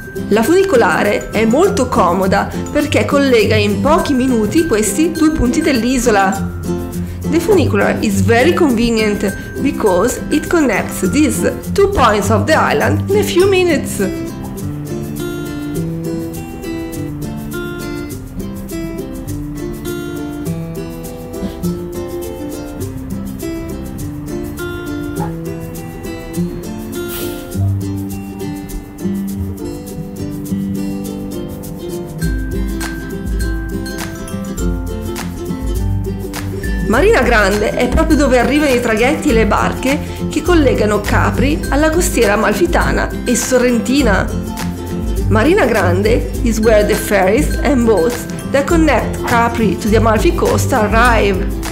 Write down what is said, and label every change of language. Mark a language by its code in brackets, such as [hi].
[it] La funicolare è molto comoda perché collega in pochi minuti questi due punti dell'isola. [en] The funicular is very convenient because it connects these two points of the island in a few minutes. [it] Marina Grande è proprio dove arrivano i traghetti e le barche che collegano Capri alla costiera amalfitana e sorrentina. [en] Marina Grande is where the ferries and boats that connect Capri to the Amalfi coast arrive.